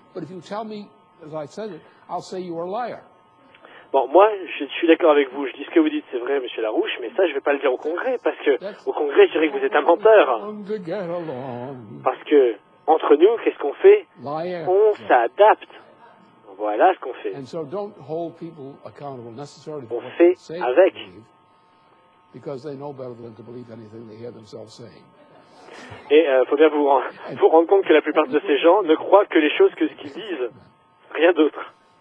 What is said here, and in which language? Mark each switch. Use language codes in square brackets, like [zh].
[en] But if you tell me as I said it, I'll say you are a liar. [fr] Bon, moi, je suis d'accord avec vous. Je dis ce que vous dites, c'est vrai, Monsieur Larouche. Mais ça, je ne vais pas le dire au Congrès, parce que au Congrès, je dirais que vous êtes un menteur. Parce que entre nous, qu'est-ce qu'on fait? On s'adapte. Voilà ce qu'on fait. On fait avec. [en] Because they know better than to believe anything they hear themselves saying. [fr] Et faut bien vous rendre compte que la plupart de ces gens ne croient que les choses que ce qu'ils disent, rien d'autre.